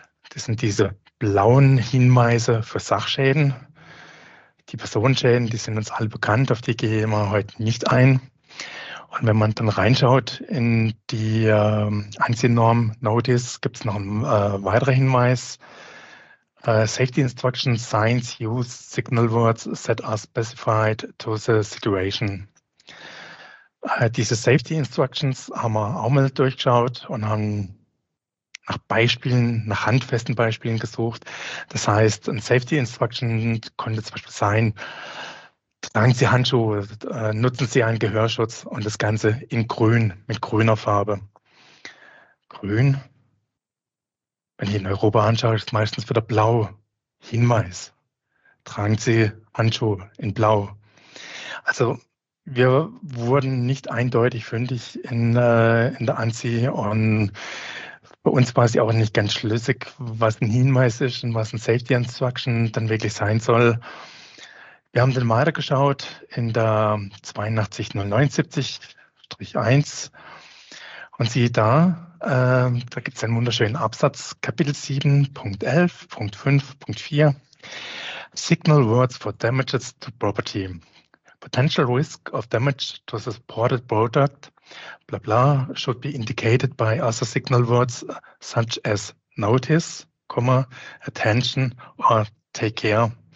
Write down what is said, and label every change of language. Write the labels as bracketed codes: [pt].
[de] Das sind diese blauen Hinweise für Sachschäden. Die Personenschäden, die sind uns alle bekannt, auf die gehe ich mal heute nicht ein. Und wenn man dann reinschaut in die ANSI-Norm Notice, gibt es noch einen weiteren Hinweis. [en] Safety Instructions, Signs, Use, Signal Words that are specified to the situation. [de] Diese Safety Instructions haben wir auch mal durchgeschaut und haben nach Beispielen, nach handfesten Beispielen gesucht. Das heißt, ein Safety Instruction könnte zum Beispiel sein, tragen Sie Handschuhe, nutzen Sie einen Gehörschutz und das Ganze in grün, mit grüner Farbe. Grün, wenn ich in Europa anschaue, ist meistens wieder blau. Hinweis, tragen Sie Handschuhe in blau. Also, wir wurden nicht eindeutig fündig in der ANSI und bei uns war es ja auch nicht ganz schlüssig, was ein Hinweis ist und was ein Safety Instruction dann wirklich sein soll. Wir haben dann weiter geschaut in der 82079-1 und siehe da, da gibt es einen wunderschönen Absatz, Kapitel 7.11.5.4, [en] Signal Words for Damages to Property. Potential risk of damage to the supported product, blah, blah, should be indicated by other signal words such as notice, comma, attention or take care.